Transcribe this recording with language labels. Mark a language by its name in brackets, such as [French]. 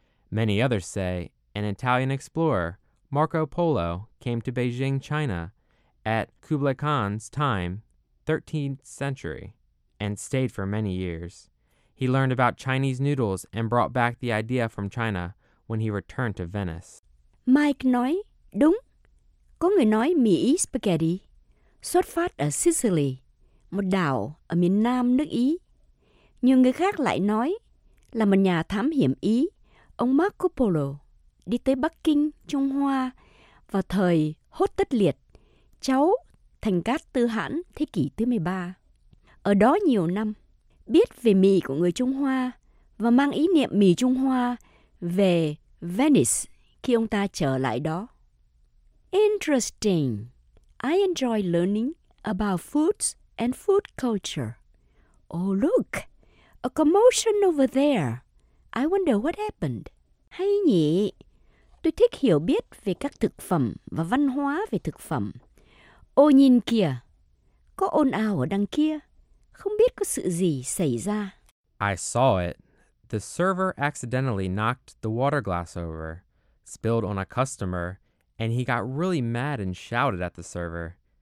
[English] Many others say an Italian explorer, Marco Polo, came to Beijing, China at Kublai Khan's time, 13th century, and stayed for many years. He learned about Chinese noodles and brought back the idea from China, when he returned to Venice. [Vietnamese] Mike nói, đúng. Có người nói mì Ý spaghetti xuất phát ở Sicily, một đảo ở miền nam nước Ý. Nhiều người khác lại nói là một nhà thám hiểm Ý, ông Marco Polo, đi tới Bắc Kinh, Trung Hoa vào thời Hốt Tất Liệt, cháu Thành Cát Tư Hãn thế kỷ thứ 13. Ở đó nhiều năm, biết về mì của người Trung Hoa và mang ý niệm mì Trung Hoa về Venice khi ông ta trở lại đó. [English] Interesting. I enjoy learning about foods and food culture. Oh, look. A commotion over there. I wonder what happened. [Vietnamese] Hay nhỉ? Tôi thích hiểu biết về các thực phẩm và văn hóa về thực phẩm. Ô nhìn kìa. Có ồn ào ở đằng kia. Không biết có sự gì xảy ra. [English] I saw it. The server accidentally knocked the water glass over, spilled on a customer, and he got really mad and shouted at the server.